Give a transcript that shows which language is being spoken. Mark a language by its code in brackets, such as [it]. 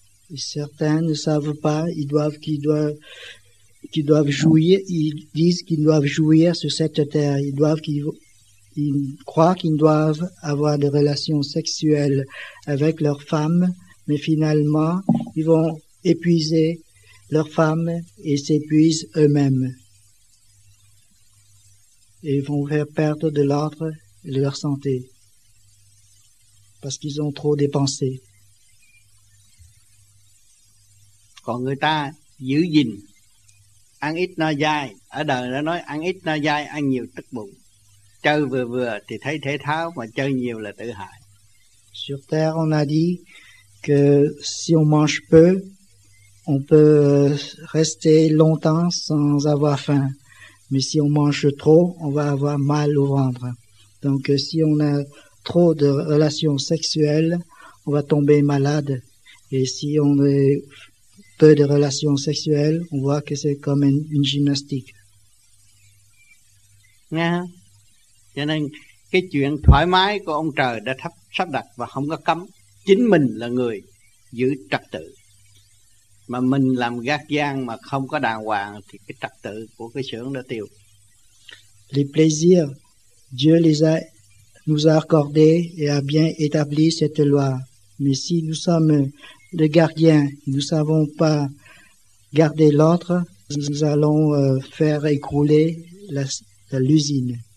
[fr] Et certains ne savent pas, ils doivent jouir, ils disent qu'ils doivent jouir sur cette terre, ils croient qu'ils doivent avoir des relations sexuelles avec leurs femmes, mais finalement, ils vont épuiser leurs femmes et s'épuisent eux-mêmes. Et ils vont faire perdre de l'ordre et de leur santé. Parce qu'ils ont trop dépensé. [vi] Còn người ta giữ gìn ăn ít no dai, ở đời đã nói ăn ít no dai, ăn nhiều tức bụng. Chơi vừa vừa thì thấy thể thao mà chơi nhiều là tự hại. [fr] Sur terre on a dit que si on mange peu, on peut rester longtemps sans avoir faim. Mais si on mange trop, on va avoir mal au ventre. Donc si on a trop de relations sexuelles, on va tomber malade. Et si on a peu de relations sexuelles, on voit que c'est comme une gymnastique. [vi] Nghe hả? Cho nên cái chuyện thoải mái của ông trời đã sắp đặt và không có cấm. Chính mình là người giữ trật tự. Mà mình làm gác gian mà không có đàng hoàng thì cái trật tự của cái xưởng đã tiêu. [fr] Les plaisirs, Dieu les a nous a accordé et a bien établi cette loi. Mais si nous sommes le gardien, nous ne savons pas garder l'ordre, nous allons faire écrouler l'usine.